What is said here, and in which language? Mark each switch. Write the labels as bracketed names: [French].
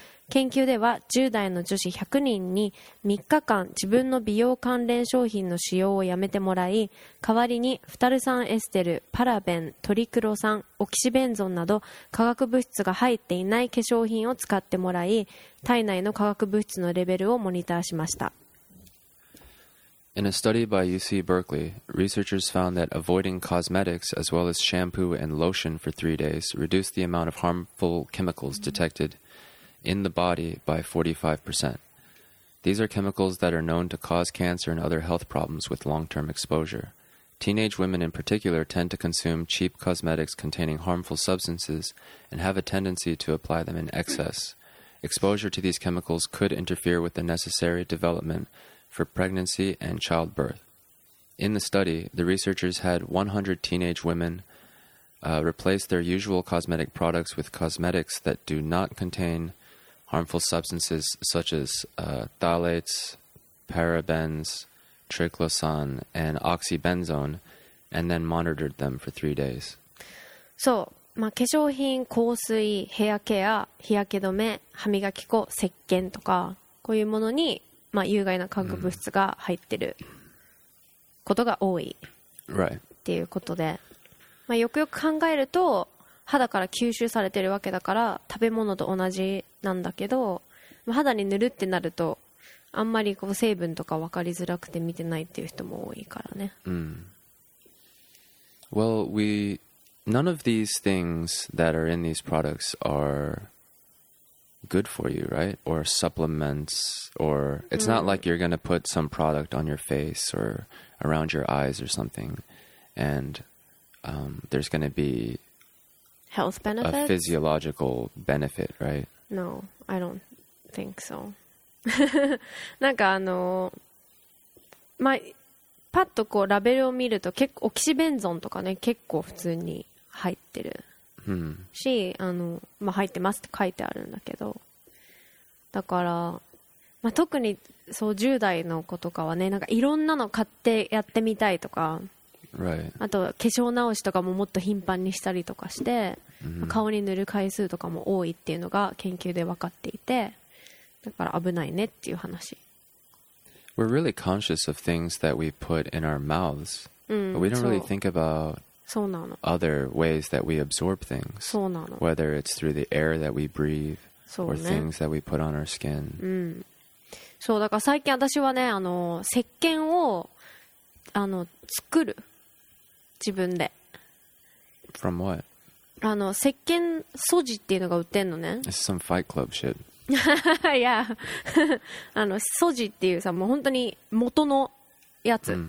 [Japanese] 研究では10代の女子100人に3日間自分の美容関連商品の使用をやめてもらい、代わりにフタル酸エステル、パラベン、トリクロ酸、オキシベンゾンなど化学物質が入っていない化粧品を使ってもらい、体内の化学物質のレベルをモニターしました。 [English] In a study by UC Berkeley, researchers found that avoiding cosmetics as well as shampoo and lotion for 3 days reduced the amount of harmful chemicals detected in the body by 45%. These are chemicals that are known to cause cancer and other health problems with long-term exposure. Teenage women in particular tend to consume cheap cosmetics containing harmful substances and have a tendency to apply them in excess. Exposure to these chemicals could interfere with the necessary development for pregnancy and childbirth. In the study, the researchers had 100 teenage womenreplace their usual cosmetic products with cosmetics that do not containharmful substances such as phthalates, parabens, triclosan, and oxybenzone, and then monitored them for 3 days. So, [Japanese] まあ化粧品、香水、ヘアケア、日焼け止め、歯磨き粉、石鹸とか、こういうものに、まあ有害な化学物質が入ってることが多い。 [English] Right. [Japanese] っていうことで、まあよくよく考えると、肌から吸収されてるわけだから食べ物と同じなんだけど、肌に塗るってなるとあんまりこう成分とか分かりづらくて見てないっていう人も多いからね。 [English] Well, we none of these things that are in these products are good for you, right? Or supplements, or it's not like you're gonna put some product on your face or around your eyes or something, and there's gonna bebe health benefits? A physiological benefit, right? No, I don't think so. [Japanese] なんかまあ、パッとこうラベルを見ると結構オキシベンゾンとかね、結構普通に入ってる、し、まあ、入ってますって書いてあるんだけど、だから、まあ、特にそう10代の子とかはね、なんかいろんなの買ってやってみたいとか、 [English] Right. [Japanese] あと化粧直しとかももっと頻繁にしたりとかして、顔に塗る回数とかも多いっていうのが研究で分かっていて、だから危ないねっていう話。 [English] We're really conscious of things that we put in our mouths, but we don't really think about other ways that we absorb things. [Japanese] そうなの。 [English] Whether it's through the air that we breathe or things that we put on our skin. [Japanese] そうだから最近私はね、石鹸を作る自分で。 [English] From what? [Japanese] 石鹸掃除っていうのが売ってんのね。 [English] It's some Fight Club shit. Yeah. [Japanese] 掃除っていうさ、もう本当に元のやつ。